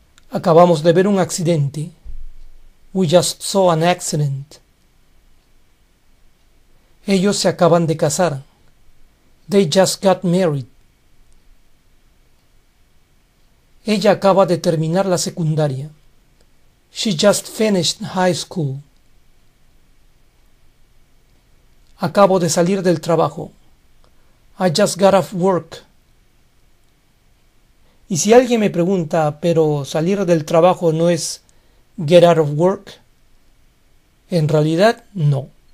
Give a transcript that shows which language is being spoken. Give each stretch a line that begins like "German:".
Spanish: Acabamos de ver un accidente.
English: We just saw an accident.
Spanish: Ellos se acaban de casar.
English: They just got married.
Spanish: Ella acaba de terminar la secundaria.
English: She just finished high school.
Spanish: Acabo de salir del trabajo.
English: I just got off work.
Spanish: Y si alguien me pregunta, pero salir del trabajo no es
English: get out of work,
Spanish: en realidad no.